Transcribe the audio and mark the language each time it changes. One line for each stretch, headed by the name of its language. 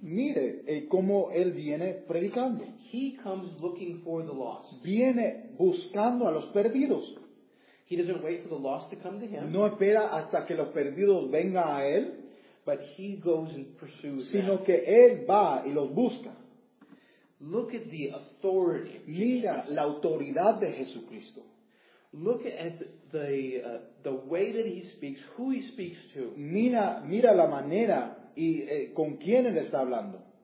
Spanish: Mire cómo él viene predicando.
English: He comes looking for the lost.
Spanish: Viene buscando a los perdidos.
English: He doesn't wait for the lost to come to him.
Spanish: No espera hasta que los perdidos vengan a él.
English: But he goes and pursues them.
Spanish: Sino que él va y los busca.
English: Look at the authority.
Spanish: Mira la autoridad de Jesucristo.
English: Look at the way that he speaks, who he speaks to.
Spanish: Mira la manera y con quién él está hablando.